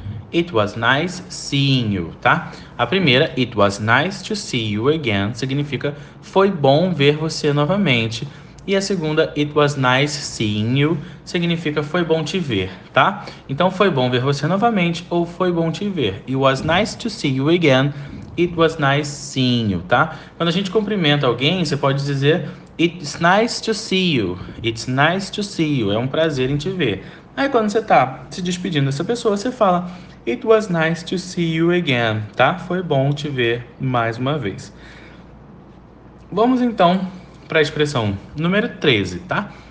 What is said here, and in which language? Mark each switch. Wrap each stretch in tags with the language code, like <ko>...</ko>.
<en>It was nice seeing you, tá?</en> <pt>A primeira, It was nice to see you again, significa foi bom ver você novamente. E a segunda, It was nice seeing you, significa foi bom te ver, tá? Então foi bom ver você novamente ou foi bom te ver.</pt> <en>It was nice to see you again. It was nice seeing you, tá?</en> <pt>Quando a gente cumprimenta alguém, você pode dizer It's nice to see you. It's nice to see you. É um prazer em te ver. Aí quando você tá se despedindo dessa pessoa, você fala It was nice to see you again, tá? Foi bom te ver mais uma vez. Vamos então para a expressão número 13, tá?</pt>